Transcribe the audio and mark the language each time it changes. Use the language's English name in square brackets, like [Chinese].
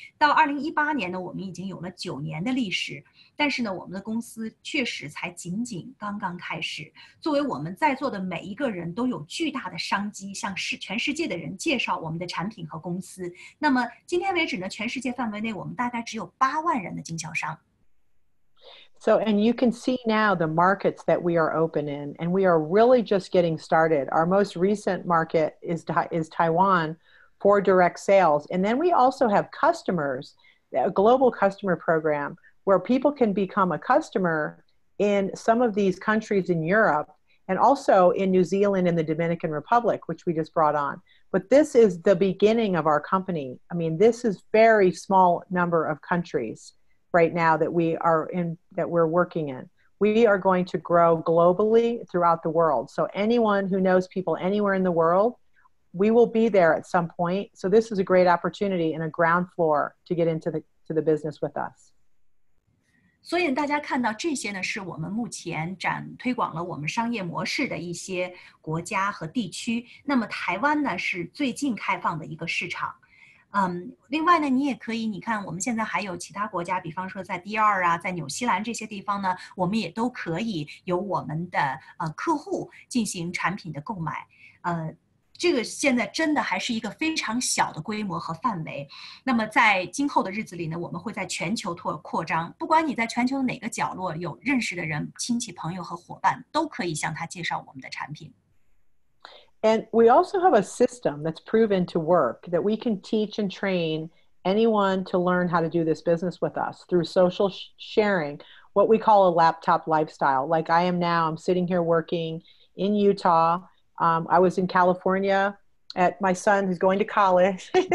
[Chinese] 到2018年呢，我们已经有了9年的历史，但是呢，我们的公司确实才仅仅刚刚开始。作为我们在座的每一个人都有巨大的商机，向全世界的人介绍我们的产品和公司。那么今天为止呢，全世界范围内我们大概只有8万人的经销商。 [English] So, and you can see now the markets that we are open in, and we are really just getting started. Our most recent market is Taiwan for direct sales. And then we also have customers, a global customer program where people can become a customer in some of these countries in Europe and also in New Zealand and the Dominican Republic, which we just brought on. But this is the beginning of our company. I mean, this is very small number of countries. Right now that we're working in. We are going to grow globally throughout the world. So anyone who knows people anywhere in the world, we will be there at some point. So this is a great opportunity and a ground floor to get into the business with us. [Chinese] 所以大家看到这些呢，是我们目前推广了我们商业模式的一些国家和地区。那么台湾呢，是最近开放的一个市场。另外呢，你也可以，你看我们现在还有其他国家，比方说在第二啊，在纽西兰这些地方呢，我们也都可以由我们的客户进行产品的购买。这个现在真的还是一个非常小的规模和范围。那么在今后的日子里呢，我们会在全球扩张，不管你在全球的哪个角落有认识的人、亲戚、朋友和伙伴，都可以向他介绍我们的产品。 [English] And we also have a system that's proven to work that we can teach and train anyone to learn how to do this business with us through social sharing, what we call a laptop lifestyle. Like I am now, I'm sitting here working in Utah. I was in California at my son who's going to college.